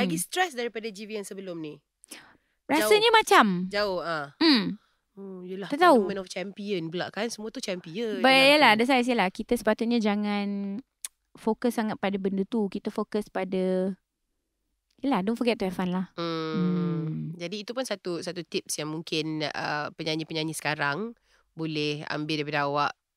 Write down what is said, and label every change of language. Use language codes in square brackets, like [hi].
[ms] Lagi stress daripada GV yang sebelum ni. Rasanya macam jauh ah. Yelah, tak tahu. [en] Moment of champion [ms] pula kan, semua tu champion. Baiklah, yelah, ada saya lah. Kita sepatutnya jangan fokus sangat pada benda tu. Kita fokus pada, yelah, [en] don't forget to have fun lah. [ms] Jadi itu pun satu tips yang mungkin penyanyi-penyanyi sekarang boleh ambil daripada awak.